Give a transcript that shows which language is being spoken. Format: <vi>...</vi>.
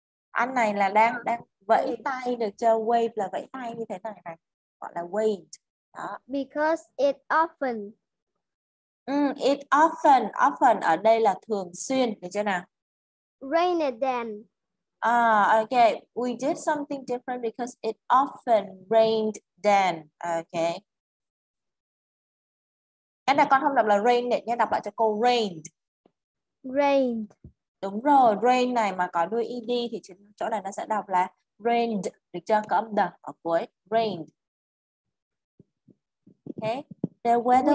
<vi>Anh này là đang vẫy tay được chưa? Wave là vẫy tay như thế này này, gọi là wave. Đó.</vi> <en>Because it often. It often.</en> <vi>Often ở đây là thường xuyên, được chưa nào?</vi> <en>Rainer than. Okay. We did something different because it often rained then. Okay.</en> <vi>Em là con không đọc là rain nè, nhé, đọc lại cho cô rained.</vi> <en>Rained.</en> <vi>Đúng rồi, rain này mà có đuôi ed thì chỗ này nó sẽ đọc là rained, được chưa? Có âm đ ở cuối, rained.</vi> <en>Okay. The weather</en>